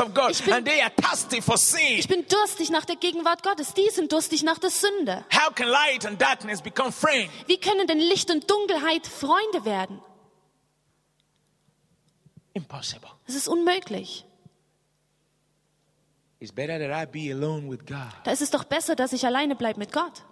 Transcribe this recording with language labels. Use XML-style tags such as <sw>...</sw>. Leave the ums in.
<de>Ich bin, ich bin durstig nach der Gegenwart Gottes, die sind durstig nach der Sünde.</de> <en>How can light and darkness become friend?</en> <de>Wie können denn Licht und Dunkelheit Freunde werden?</de> <en>Impossible.</en> <de>Es ist unmöglich.</de> <en>It's better that I be alone with God.</en> <de>Da ist es doch besser, dass ich alleine bleibe mit Gott.</de>